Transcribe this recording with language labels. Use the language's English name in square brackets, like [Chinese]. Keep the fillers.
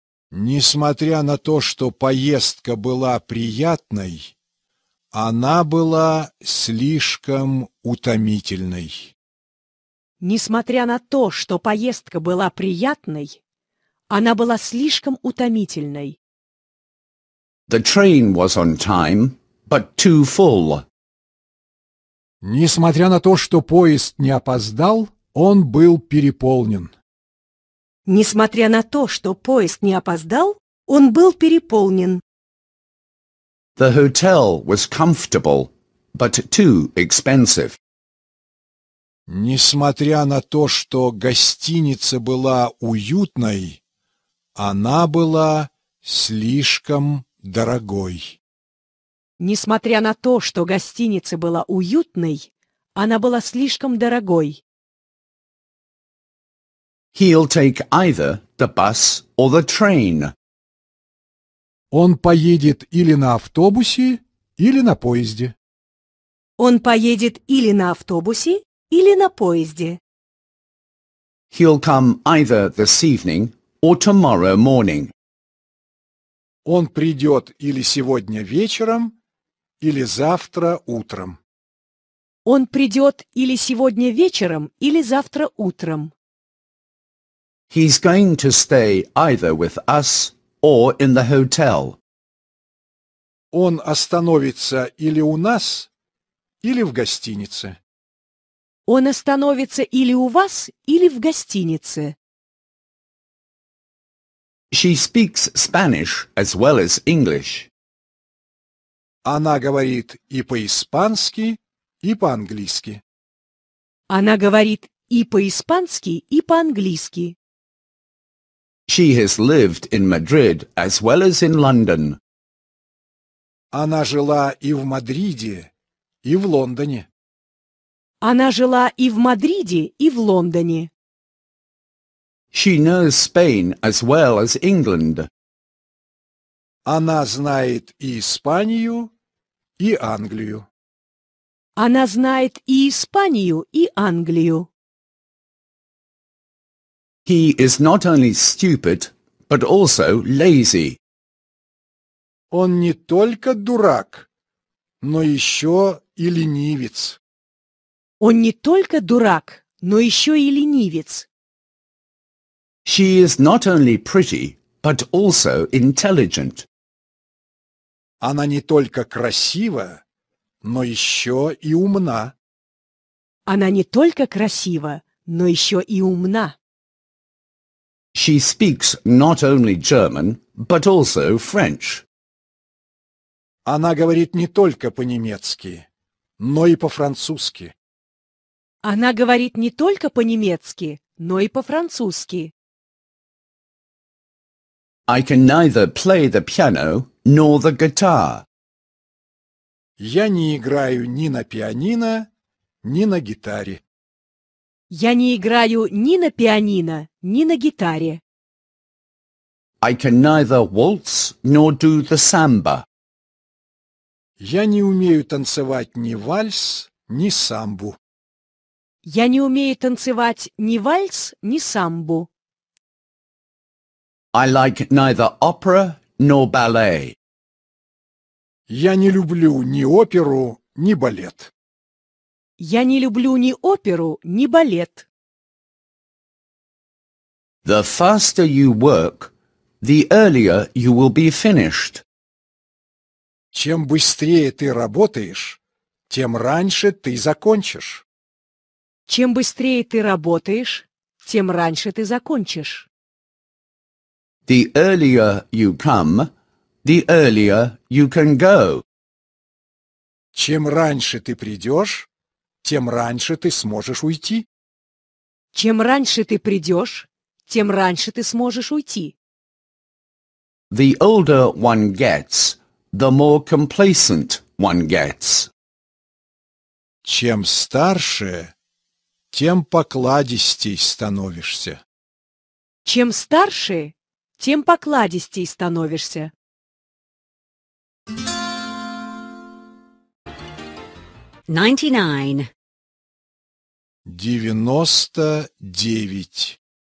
[Russian] Несмотря на то, что поездка была приятной, она была слишком утомительной. Несмотря на то, что поездка была приятной, она была слишком утомительной. [English] The train was on time, but too full. [Russian] Несмотря на то, что поезд не опоздал, он был переполнен. Несмотря на то, что поезд не опоздал, он был переполнен. [English] The hotel was comfortable, but too expensive. [Russian] Несмотря на то, что гостиница была уютной, она была слишком дорогой. Несмотря на то, что гостиница была уютной, она была слишком дорогой. [English] He'll take either the bus or the train. [Russian] Он поедет или на автобусе, или на поезде. Он поедет или на автобусе, или на поезде. [English] He'll come either this evening or tomorrow morning. [Russian] Он придет или сегодня вечером, или завтра утром. Он придет или сегодня вечером, или завтра утром. [English] He's going to stay either with us or in the hotel. [Russian] Он остановится или у нас, или в гостинице. Он остановится или у вас, или в гостинице. [English] She speaks Spanish as well as English. [Russian] Она говорит и по-испански, и по-английски. Она говорит и по-испански, и по-английски. [English] She has lived in Madrid as well as in London. [Russian] Она жила и в Мадриде, и в Лондоне. Она жила и в Мадриде, и в Лондоне. [English] She knows Spain as well as England. [Russian] Она знает и Испанию, и Англию. Она знает и Испанию, и Англию. [English] He is not only stupid, but also lazy. [Russian] Он не только дурак, но еще и ленивец. Он не только дурак, но еще и ленивец. [English] She is not only pretty, but also intelligent. [Russian] Она не только красива, но еще и умна. Она не только красива, но еще и умна. [English] She speaks not only German, but also French. [Russian] Она говорит не только по-немецки, но и по-французски. Она говорит не только по-немецки, но и по-французски. [English] I can neither play the piano nor the guitar. [Russian] Я не играю ни на пианино, ни на гитаре. Я не играю ни на пианино, ни на гитаре. [English] I can neither waltz nor do the samba. [Russian] Я не умею танцевать ни вальс, ни самбу. Я не умею танцевать ни вальс, ни самбу. [English] I like neither opera nor ballet. [Russian] Я не люблю ни оперу, ни балет. Я не люблю ни оперу, ни балет. [English] The faster you work, the earlier you will be finished. [Russian] Чем быстрее ты работаешь, тем раньше ты закончишь. Чем быстрее ты работаешь, тем раньше ты закончишь. [English] The earlier you come, the earlier you can go. [Russian] Чем раньше ты придешь, тем раньше ты сможешь уйти. Чем раньше ты придешь, тем раньше ты сможешь уйти. [English] The older one gets, the more complacent one gets. [Russian] Чем старше, тем покладистей становишься. Чем старше, тем покладистей становишься. Девяносто девять.